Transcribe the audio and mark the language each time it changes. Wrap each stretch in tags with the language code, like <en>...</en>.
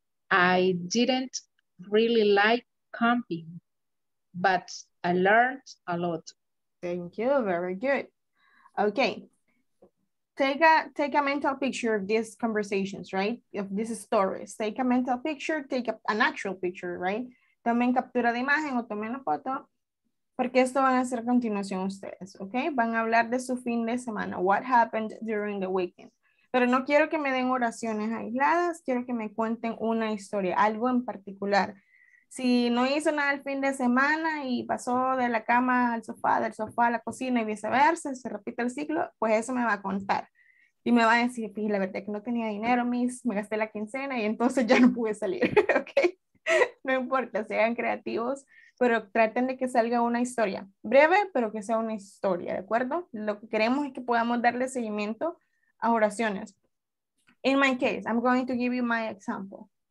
<en>I didn't really like camping, but I learned a lot. Thank you, very good. Okay, take a mental picture of these conversations, right? Of these stories. Take a mental picture, take an actual picture, right?</en> <es>Tomen captura de imagen o tomen la foto, porque esto van a hacer a continuación ustedes, okay? Van a hablar de su fin de semana,</es> <en>what happened during the weekend.</en> <es>Pero no quiero que me den oraciones aisladas, quiero que me cuenten una historia, algo en particular. Si no hizo nada el fin de semana y pasó de la cama al sofá, del sofá a la cocina y viceversa, se repite el ciclo, pues eso me va a contar. Y me va a decir, la verdad es que no tenía dinero, mis, me gasté la quincena y entonces ya no pude salir, ¿ok? No importa, sean creativos, pero traten de que salga una historia. Breve, pero que sea una historia, ¿de acuerdo? Lo que queremos es que podamos darle seguimiento a oraciones.</es> <en>In my case, I'm going to give you my example.</en>